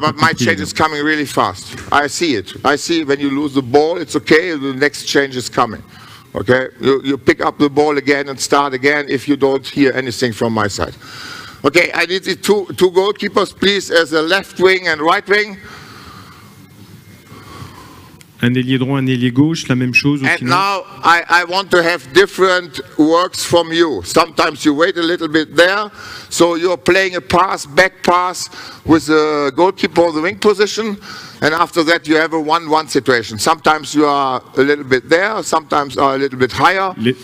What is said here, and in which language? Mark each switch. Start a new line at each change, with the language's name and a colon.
French: pas compris.
English: My change is coming really fast. I see it. I see when you lose the ball, it's okay. The next change is coming. Okay? You pick up the ball again and start again if you don't hear anything from my side. Okay, I need the two goalkeepers, please, as a left wing and right wing.
French: Un ailier droit, un ailier gauche, la même chose.
English: And now I want to have different works from you. Sometimes you wait a little bit there, so you're playing a pass, back pass with the goalkeeper on the wing position, and after that you have a 1-1 situation. Sometimes you are a little bit there, sometimes are a little bit higher.